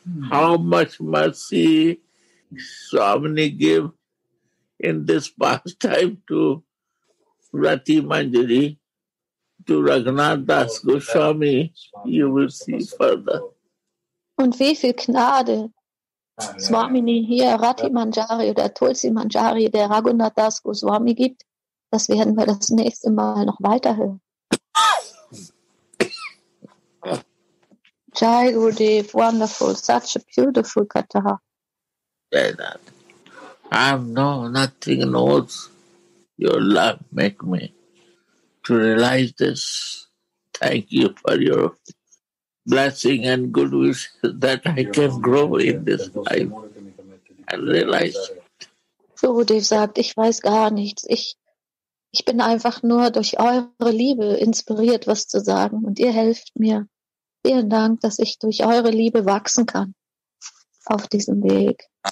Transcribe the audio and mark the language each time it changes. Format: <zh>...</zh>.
<en>How much mercy Swamini gave in this pastime to Rati Manjari, to Raghunath Das Goswami, you will see further.</en> <de>Und wie viel Gnade Swamini hier, Rati Manjari oder Tulsi Manjari, der Raghunath Das Goswami gibt, das werden wir das nächste Mal noch weiter hören.</de> <en>Jai Gurudev, wonderful, such a beautiful katha. Say that. I'm nothing knows your love make me to realize this. Thank you for your blessing and good wishes that I can grow in this life and realize it.</en> <de>Gurudev sagt, ich weiß gar nichts. Ich bin einfach nur durch eure Liebe inspiriert, was zu sagen. Und ihr helft mir. Vielen Dank, dass ich durch eure Liebe wachsen kann auf diesem Weg.</de>